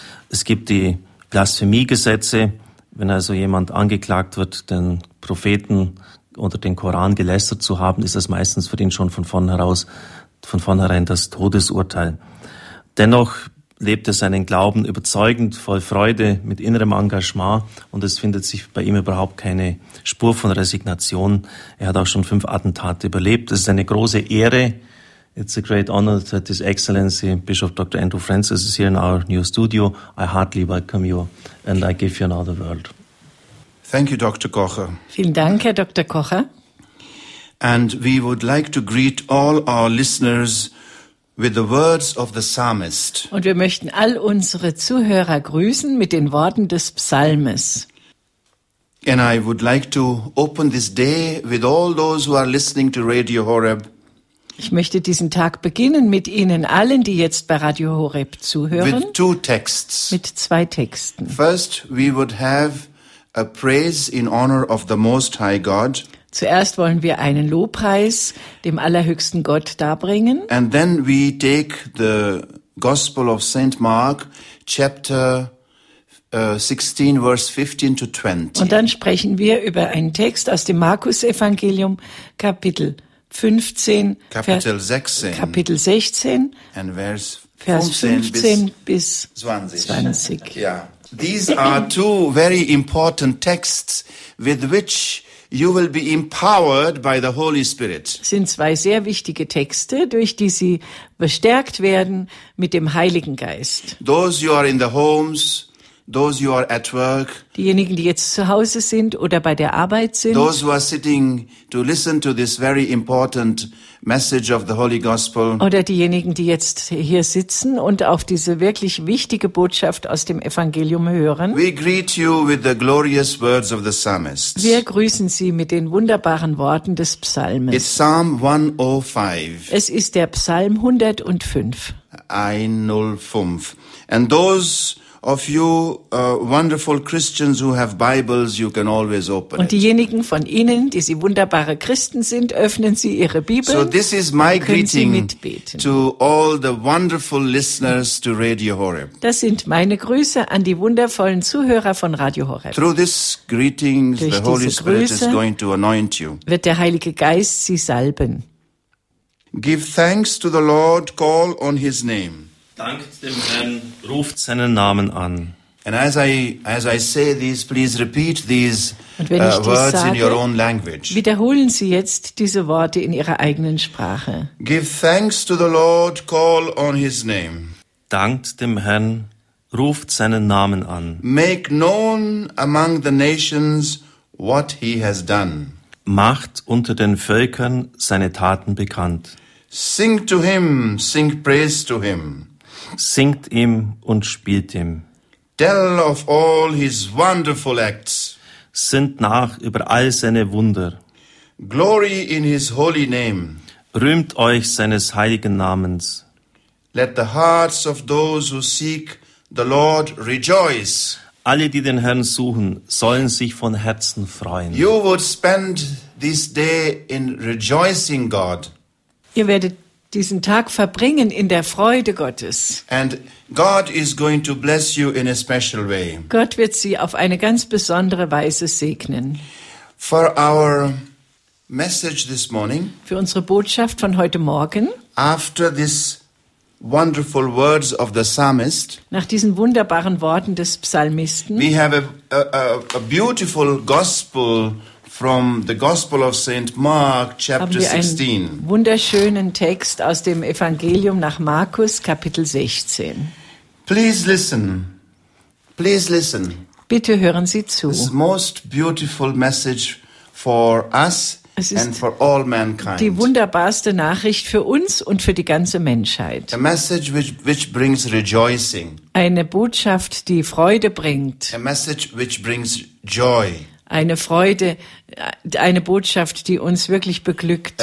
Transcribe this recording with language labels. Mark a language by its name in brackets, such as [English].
[German] Es gibt die Blasphemiegesetze. Wenn also jemand angeklagt wird, den Propheten oder den Koran gelästert zu haben, ist das meistens für ihn schon von vornherein das Todesurteil. Dennoch lebt er seinen Glauben überzeugend, voll Freude, mit innerem Engagement und es findet sich bei ihm überhaupt keine Spur von Resignation. Er hat auch schon 5 Attentate überlebt. Es ist eine große Ehre. [English] It's a great honor that His Excellency Bishop Dr. Andrew Francis is here in our new studio. I heartily welcome you and I give you another word. Thank you, Dr. Kocher. [German] Vielen Dank, Herr Dr. Kocher. [English] And we would like to greet all our listeners with the words of the psalmist. [German] Und wir möchten all unsere Zuhörer grüßen mit den Worten des Psalmes. [English] And I would like to open this day with all those who are listening to Radio Horeb. [German] Ich möchte diesen Tag beginnen mit Ihnen allen, die jetzt bei Radio Horeb zuhören. [English] With two texts. [German] Mit zwei Texten. [English] First, we would have a praise in honor of the Most High God. [German] Zuerst wollen wir einen Lobpreis dem allerhöchsten Gott darbringen. [English] And then we take the Gospel of Saint Mark, chapter 16, verse 15 to 20. [German] Und dann sprechen wir über einen Text aus dem Markus-Evangelium, Kapitel 15, Kapitel 16, Kapitel 16 and Vers 15 bis 20. [English] Yeah. These are two very important texts with which you will be empowered by the Holy Spirit. [German] Sind zwei sehr wichtige Texte, durch die Sie bestärkt werden mit dem Heiligen Geist. [English] Those you are in the homes, those you are at work, [German] diejenigen, die jetzt zu Hause sind oder bei der Arbeit sind, [English] those who are sitting to listen to this very important message of the Holy Gospel, [German] oder diejenigen, die jetzt hier sitzen und auf diese wirklich wichtige Botschaft aus dem Evangelium hören. [English] We greet you with the glorious words of the psalmist. [German] Wir grüßen Sie mit den wunderbaren Worten des Psalmes. [English] It's Psalm 105. [German] Es ist der Psalm 105. 105. [English] And those of you wonderful Christians who have Bibles, you can always open it. [German] Und diejenigen von Ihnen, die Sie wunderbare Christen sind, öffnen Sie Ihre Bibel. [English] So this is my greeting to all the wonderful listeners to Radio Horeb. [German] Das sind meine Grüße an die wundervollen Zuhörer von Radio Horeb. [English] Through this greeting, the Holy Spirit is going to anoint you. [German] Wird der Heilige Geist Sie salben. [English] Give thanks to the Lord, call on His name. [German] Dankt dem Herrn, ruft seinen Namen an. [English] And as I say these, please repeat these words [German] sage, [English] in your own language. [German] Wiederholen Sie jetzt diese Worte in Ihrer eigenen Sprache. [English] Give thanks to the Lord, call on His name. [German] Dankt dem Herrn, ruft seinen Namen an. [English] Make known among the nations what He has done. [German] Macht unter den Völkern seine Taten bekannt. [English] Sing to Him, sing praise to Him. [German] Singt ihm und spielt ihm. [English] Tell of all his wonderful acts. [German] Sinnt nach über all seine Wunder. [English] Glory in his holy name. [German] Rühmt euch seines heiligen Namens. [English] Let the hearts of those who seek the Lord rejoice. [German] Alle, die den Herrn suchen, sollen sich von Herzen freuen. [English] You would spend this day in rejoicing God. [German] Ihr werdet diesen Tag verbringen in der Freude Gottes. [English] And God is going to bless you in a special way. [German] Gott wird sie auf eine ganz besondere Weise segnen. [English] For our message this morning. [German] Für unsere Botschaft von heute Morgen. [English] After this wonderful words of the psalmist. [German] Nach diesen wunderbaren Worten des Psalmisten. [English] We have a beautiful gospel from the Gospel of Saint Mark, chapter 16. [German] Haben wir einen wunderschönen Text aus dem Evangelium nach Markus, Kapitel 16. [English] Please listen. Please listen. [German] Bitte hören Sie zu. [English] This most beautiful message for us. [German] Es ist [English] and for all mankind. [German] Die wunderbarste Nachricht für uns und für die ganze Menschheit. [English] A message which brings rejoicing. [German] Eine Botschaft, die Freude bringt. [English] A message which brings joy. [German] Eine Freude, eine Botschaft, die uns wirklich beglückt.